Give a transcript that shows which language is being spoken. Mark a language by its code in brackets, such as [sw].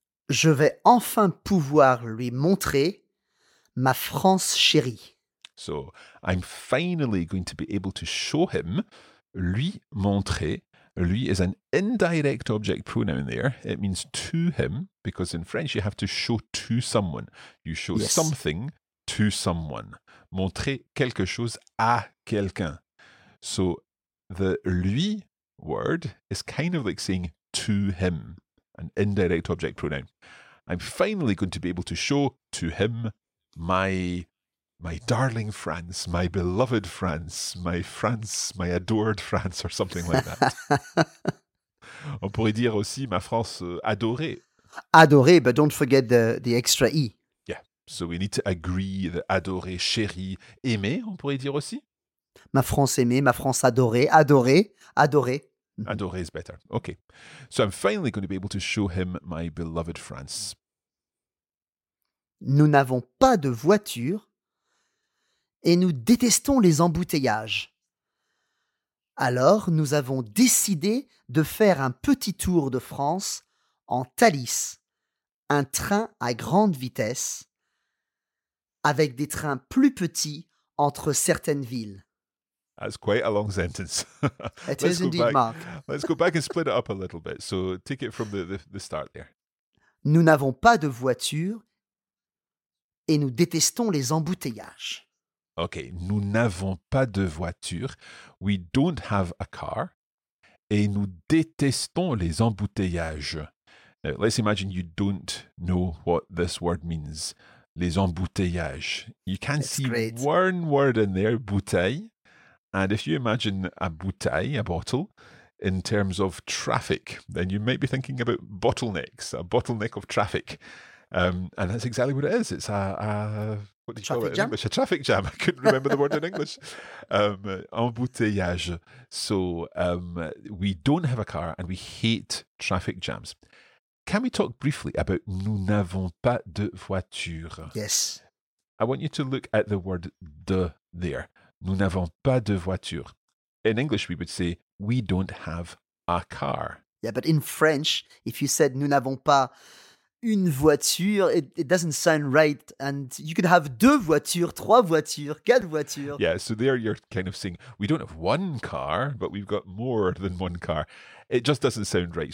[fr] Je vais enfin pouvoir lui montrer ma France chérie. [en] So, I'm finally going to be able to show him, [fr] lui montrer. [en] Lui is an indirect object pronoun there. It means to him, because in French you have to show to someone. You show something to someone. [fr] Montrer quelque chose à quelqu'un. [en] So, the lui word is kind of like saying to him. An indirect object pronoun. I'm finally going to be able to show to him my darling France, my beloved France, my adored France, or something like that. [fr] On pourrait dire aussi ma France adorée. [en] Adorée, but don't forget the extra E. Yeah, so we need to agree the adorée, chérie, aimée, [fr] on pourrait dire aussi. Ma France aimée, ma France adorée, adorée, adorée. [en] Adore is better. Okay. So I'm finally going to be able to show him my beloved France. [fr] Nous n'avons pas de voiture et nous détestons les embouteillages. Alors, nous avons décidé de faire un petit tour de France en Thalys, un train à grande vitesse, avec des trains plus petits entre certaines villes. [en] That's quite a long sentence. It is indeed, back. Mark. Let's go back and split it up a little bit. So take it from the start there. [fr] Nous n'avons pas de voiture et nous détestons les embouteillages. Okay, nous n'avons pas de voiture. [en] We don't have a car [fr] et nous détestons les embouteillages. [en] Now, let's imagine you don't know what this word means. Les embouteillages. You can see one word in there, bouteille. And if you imagine a bouteille, a bottle, in terms of traffic, then you might be thinking about bottlenecks, a bottleneck of traffic. And that's exactly what it is. It's a traffic jam. I couldn't remember the word in English. Embouteillage. So we don't have a car and we hate traffic jams. Can we talk briefly about [fr] nous n'avons pas de voiture? [en] Yes. I want you to look at the word de there. [fr] Nous n'avons pas de voiture. [en] In English, we would say, we don't have a car. Yeah, but in French, if you said [fr] nous n'avons pas une voiture, [en] it doesn't sound right. And you could have [fr] deux voitures, trois voitures, quatre voitures. [en] Yeah, so there you're kind of saying, we don't have one car, but we've got more than one car. It just doesn't sound right.